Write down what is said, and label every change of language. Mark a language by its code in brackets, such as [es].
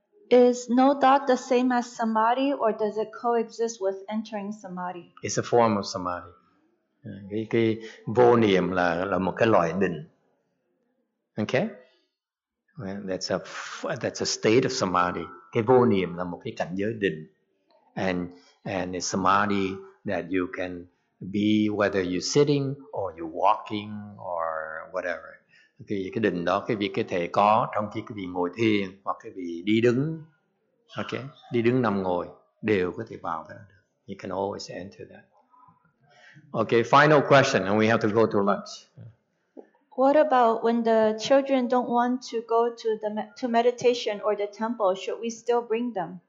[en] Is no thought the same as samadhi or does it coexist with entering samadhi? It's a form of samadhi. [vi] Cái vô niệm là một cái loại định. Okay? [en] Well, that's a state of samadhi. [vi] Cái vô niệm là một cái cảnh giới định. [en] And it's samadhi that you can be whether you're sitting or you're walking or whatever. [vi] Cái định đó, cái việc cái thể có trong khi cái vị ngồi thiền hoặc cái vị đi đứng, okay, đi đứng nằm ngồi đều có thể vào đó. [en] You can always enter that. Okay, final question and we have to go to lunch. What about when the children don't want to go to the to meditation or the temple, should we still bring them?